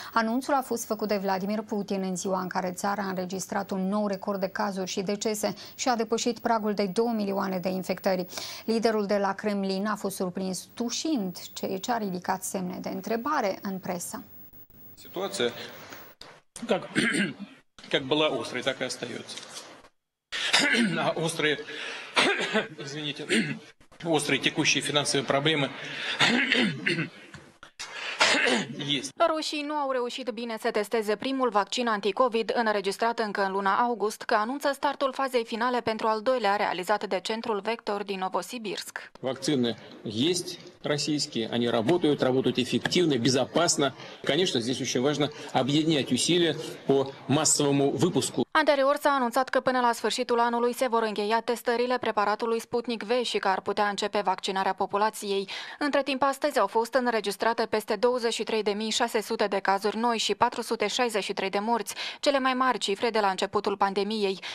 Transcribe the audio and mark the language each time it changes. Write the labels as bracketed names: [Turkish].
[Romanian] Anunțul a fost făcut de Vladimir Putin în ziua în care țara a înregistrat un nou record de cazuri și decese și a depășit pragul de 2 milioane de infectări. Liderul de la Kremlin a fost surprins tușind, ceea ce a ridicat semne de întrebare în presă. Situația, cum a fost ostră, așa rămâne. [Russian] А острые, извините, острые текущие финансовые проблемы есть. [Romanian] Рушии не au reușit bine să testeze primul vaccin anti-COVID înregistrat încă în luna august, că anunță startul fazei finale pentru al doilea realizat de Centrul Vector din Novosibirsk. [Russian] Вакцины есть российские, они работают, работают эффективно, безопасно. Конечно, здесь очень важно объединять усилия по массовому выпуску. [Romanian] Anterior s-a anunțat că până la sfârșitul anului se vor încheia testările preparatului Sputnik V și că ar putea începe vaccinarea populației. Între timp, astăzi au fost înregistrate peste 23.600 de cazuri noi și 463 de morți, cele mai mari cifre de la începutul pandemiei.